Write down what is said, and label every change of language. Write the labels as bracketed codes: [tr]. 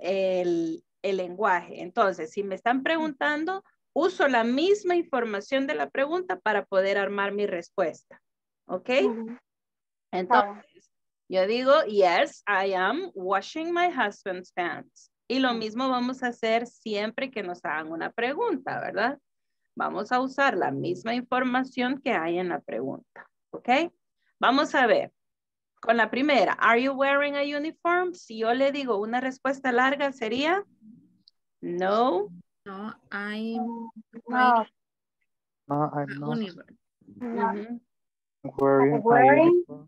[es] El lenguaje. Entonces, si me están preguntando, uso la misma información de la pregunta para poder armar mi respuesta. ¿Ok? Uh-huh. Entonces, yo digo, [en] yes, I am washing my husband's pants. [es] Y lo mismo vamos a hacer siempre que nos hagan una pregunta, ¿verdad? Vamos a usar la misma información que hay en la pregunta. ¿Ok? Vamos a ver. Con la primera, [en] are you wearing a uniform? [es] Si yo le digo una respuesta larga sería, no. [en] No, I'm not. No, I'm not. Mm-hmm. Wearing.